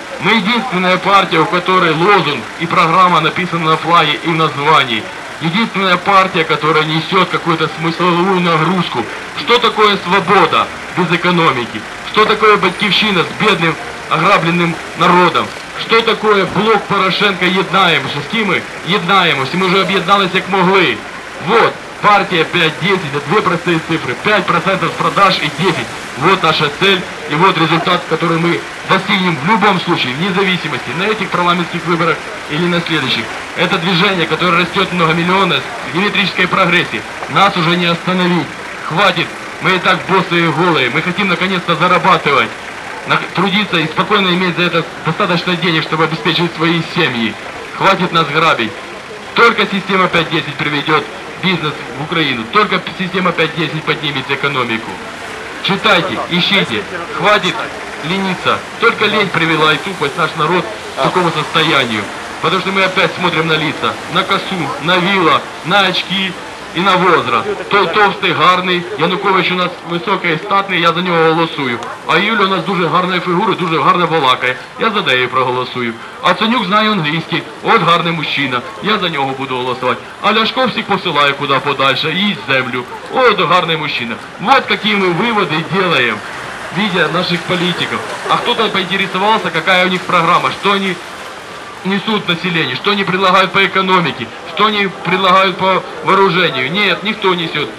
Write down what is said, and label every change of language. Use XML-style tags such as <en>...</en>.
<ru>Мы единственная партия, у которой лозунг и программа написаны на флаге и в названии. Единственная партия, которая несет какую-то смысловую нагрузку. Что такое свобода без экономики? Что такое батьковщина с бедным ограбленным народом? Что такое блок Порошенко «Єднаємося»? С кем мы «Єднаємося»? Мы уже объединялись, как могли. Вот, партия 5-10, это две простые цифры. 5% с продаж и 10. Вот наша цель и вот результат, который мы достигнем в любом случае, вне зависимости, на этих парламентских выборах или на следующих. Это движение, которое растет многомиллионно, с геометрической прогрессией. Нас уже не остановить. Хватит, мы и так босые и голые. Мы хотим наконец-то зарабатывать. Трудиться и спокойно иметь за это достаточно денег, чтобы обеспечивать свои семьи. Хватит нас грабить. Только система 5.10 приведет бизнес в Украину. Только система 5.10 поднимет экономику. Читайте, ищите. Хватит лениться. Только лень привела и тупость наш народ к такому состоянию. Потому что мы опять смотрим на лица. На косу, на вилла, на очки и на возраст.</ru> <uk>Той</uk> <ru>толстый, гарный, Янукович у нас высокий, статный, я за него голосую.</ru> <uk>А Юля у нас дуже гарная фигура, дуже гарно балакает, я за неї проголосую.</uk> <ru>А Ценюк знает английский,</ru> <uk>от гарный мужчина,</uk> <ru>я за него буду голосовать. А Ляшко всех посылаю куда подальше,</ru> <uk>їсть землю, от гарный мужчина.</uk> <ru>Вот какие мы выводы делаем, видя наших политиков. А кто-то поинтересовался, какая у них программа, что они несут население, что они предлагают по экономике, что они предлагают по вооружению. Нет, никто несет.</ru>